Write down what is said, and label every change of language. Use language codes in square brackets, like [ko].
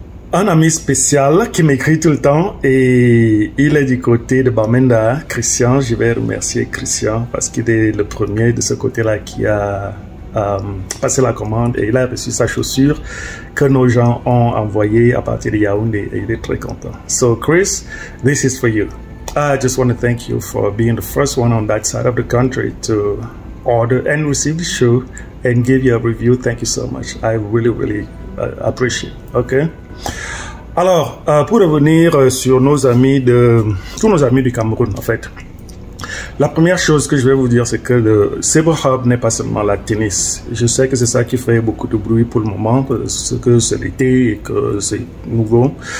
[fr] Un ami spécial qui m'écrit tout le temps et il est du côté de Bamenda, Christian. Je vais remercier Christian parce qu'il est le premier de ce côté-là qui a passé la commande et il a reçu sa chaussure que nos gens ont envoyée à partir de Yaoundé et il est très content. [en] So Chris, this is for you. I just want to thank you for being the first one on that side of the country to order and receive the shoe and give your review. Thank you so much. I really, really appreciate. OK? [fr] Alors, pour revenir sur nos amis de tous nos amis du Cameroun, en fait. La première chose que je vais vous dire, c'est que le Cyber Hub n'est pas seulement la tennis. Je sais que c'est ça qui fait beaucoup de bruit pour le moment, parce que c'est l'été et que c'est nouveau.